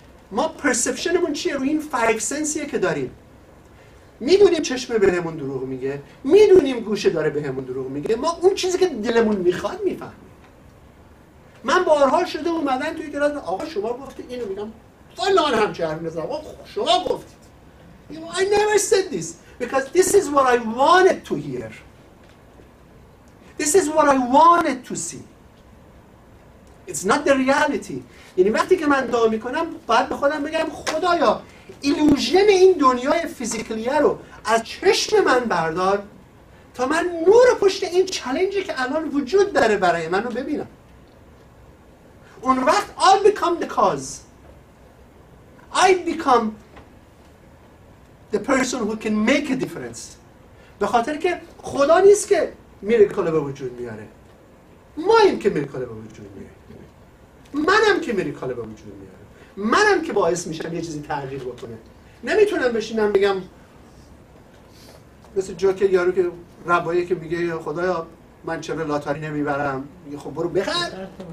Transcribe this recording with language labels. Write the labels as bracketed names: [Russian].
[Persian] ما پرسپشنمون چیه؟ روی این فایو سنسیه که داریم. میدونیم چشمه بهمون دروغ میگه، میدونیم گوشه داره بهمون دروغ میگه، ما اون چیزی که دلمون میخواد میفهمیم. من بارها شده اومدن توی کلاس، آقا شما گفتید اینو، میگم فلان هم چه حرفی زد، آقا شما گفتید. [English] I never said this because this is what I wanted to hear. This is what I wanted to see. It's not the reality. [Persian] یعنی وقتی که من دعا میکنم باید به خودم بگم خدایا ایلوژن این دنیای فیزیکلیه رو از چشم من بردار تا من نور پشت این چالنجی که الان وجود داره برای من رو ببینم. اون وقت [English] I'll become the cause. I become the person who can make a difference. [Persian] به خاطر که خدا نیست که میرکل به وجود میاره. ما این که میرکل به وجود میاره. منم که میرکل به وجود میاره. منم که باعث میشم یه چیزی تغییر بکنه. نمیتونم بشینم بگم مثل جوکر یارو که ربایه که میگه خدایا من چرا لاتاری نمیبرم؟ میگه خب برو بخر.